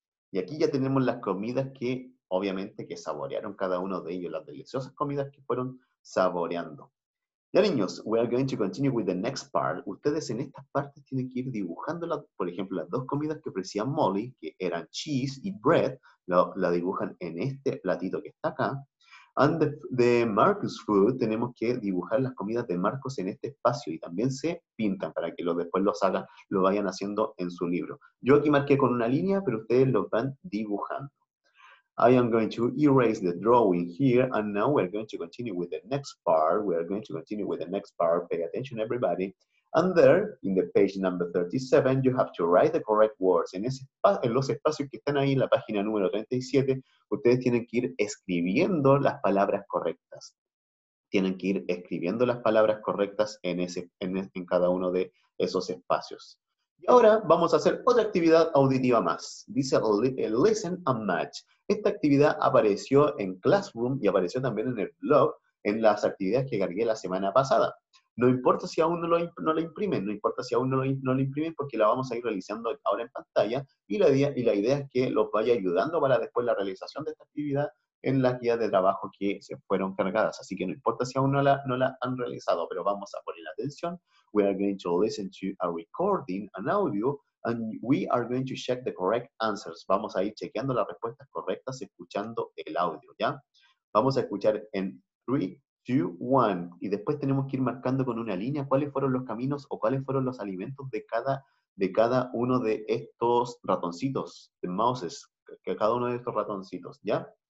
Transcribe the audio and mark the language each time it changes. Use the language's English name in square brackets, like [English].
[Spanish] Y aquí ya tenemos las comidas que, obviamente, que saborearon cada uno de ellos. Las deliciosas comidas que fueron saboreando. Ya, niños, [English] we are going to continue with the next part. [Spanish] Ustedes en estas partes tienen que ir dibujando, por ejemplo, las dos comidas que ofrecía Molly, que eran cheese y bread, la dibujan en este platito que está acá. [English] And the Marcus food, [Spanish] tenemos que dibujar las comidas de Marcos en este espacio y también se pintan para que después los hagan, lo vayan haciendo en su libro. Yo aquí marqué con una línea, pero ustedes lo van dibujando. [English] I am going to erase the drawing here and now we're going to continue with the next part. We're going to continue with the next part. Pay attention, everybody. And there, in the page number 37, you have to write the correct words. [Spanish] En los espacios que están ahí en la página número 37, ustedes tienen que ir escribiendo las palabras correctas. Tienen que ir escribiendo las palabras correctas en cada uno de esos espacios. Y ahora vamos a hacer otra actividad auditiva más. Dice Listen and Match. Esta actividad apareció en Classroom y apareció también en el blog en las actividades que cargué la semana pasada. No importa si aún no la imprimen, porque la vamos a ir realizando ahora en pantalla y la idea es que los vaya ayudando para después la realización de esta actividad en las guías de trabajo que se fueron cargadas. Así que no importa si aún no la han realizado, pero vamos a poner atención. [English] We are going to listen to a recording, an audio, and we are going to check the correct answers. [Spanish] Vamos a ir chequeando las respuestas correctas escuchando el audio, ¿ya? Vamos a escuchar en 3, 2, 1. Y después tenemos que ir marcando con una línea cuáles fueron los caminos o cuáles fueron los alimentos de cada uno de estos ratoncitos, de mouses, que cada uno de estos ratoncitos, ¿ya?